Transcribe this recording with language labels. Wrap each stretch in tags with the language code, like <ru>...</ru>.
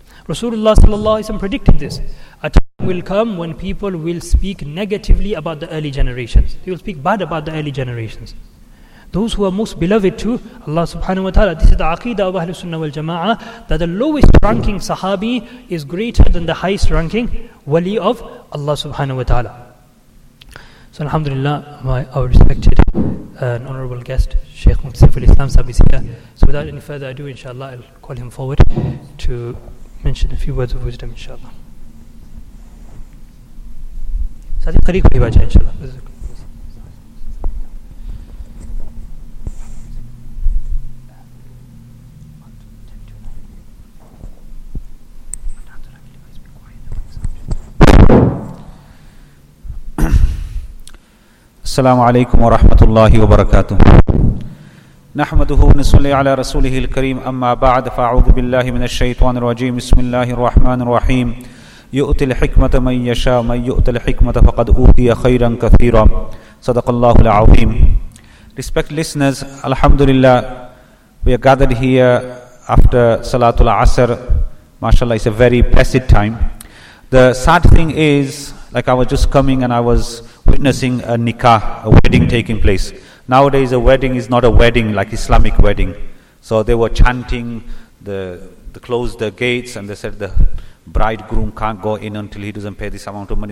<en>رسول اللہ صلی اللہ علیہ وسلم predicted this a time will come when people will speak negatively about the early generations they will speak bad about the early generations those who are most beloved to Allah subhanahu wa ta'ala this is the aqidah of Ahlus Sunnah wal Jama'ah that the lowest ranking sahabi is greater than the highest ranking wali of Allah subhanahu wa ta'ala So alhamdulillah, our respected and honorable guest, Shaykh Muntasif al-Islam Sahib is here. So without any further ado, inshallah, I'll call him forward to mention a few words of wisdom, inshallah. Sadi qariq bhi bacha, inshallah.</en> <ar>السلام علیکم ورحمۃ اللہ وبرکاتہ نحمدہ ونصلی علی رسولہ الکریم اما بعد فاعوذ باللہ من الشیطان الرجیم بسم اللہ الرحمن الرحیم یؤتی الحکمۃ من یشاء من یؤتی الحکمۃ فقد اوتی خیرا کثیرا صدق اللہ العظیم</ar> <en>Respected listeners, alhamdulillah, we are gathered here after Salatul Asr. MashaAllah, it's a very blessed time. The sad thing is, like I was just coming and I was witnessing a nikah, a wedding taking place. Nowadays, a wedding is not a wedding like Islamic wedding. So they were chanting, the closed the gates and they said the bridegroom can't go in until he doesn't pay this amount of money.</en>